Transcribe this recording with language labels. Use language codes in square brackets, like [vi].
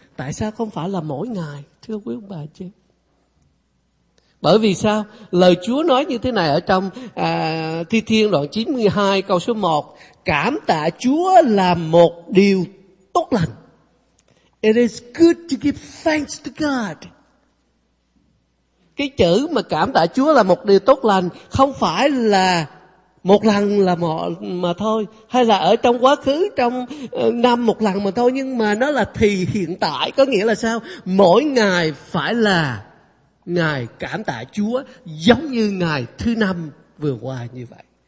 [vi] Tại sao không phải là mỗi ngày, thưa quý ông bà chị? Bởi vì sao? Lời Chúa nói như thế này ở trong Thi Thiên đoạn 92 câu số 1: cảm tạ Chúa là một điều tốt lành. [en] It is good to give thanks to God. [vi] Cái chữ mà cảm tạ Chúa là một điều tốt lành không phải là một lần là mà thôi, hay là ở trong quá khứ, trong năm một lần mà thôi, nhưng mà nó là thì hiện tại. Có nghĩa là sao? Mỗi ngày phải là ngày cảm tạ Chúa, giống như ngày thứ năm vừa qua như vậy.